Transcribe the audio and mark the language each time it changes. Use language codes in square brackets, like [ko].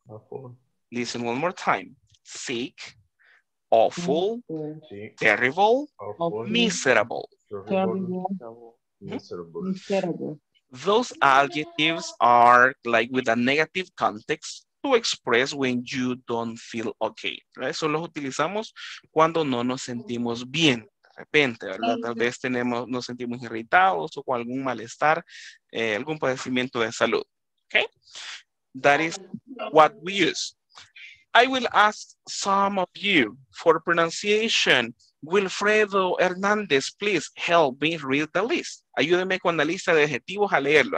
[en] Awful. Listen one more time. Sick, awful, sick, terrible, awful, miserable. Terrible. Miserable. Those adjectives are like with a negative context to express when you don't feel okay. [es] Eso los utilizamos cuando no nos sentimos bien. De repente, ¿verdad? Tal vez tenemos, nos sentimos irritados o con algún malestar, algún padecimiento de salud. [en] Okay? That is what we use. I will ask some of you for pronunciation. Wilfredo Hernandez, please help me read the list. [es] Ayúdeme con la lista de adjetivos a leerlo.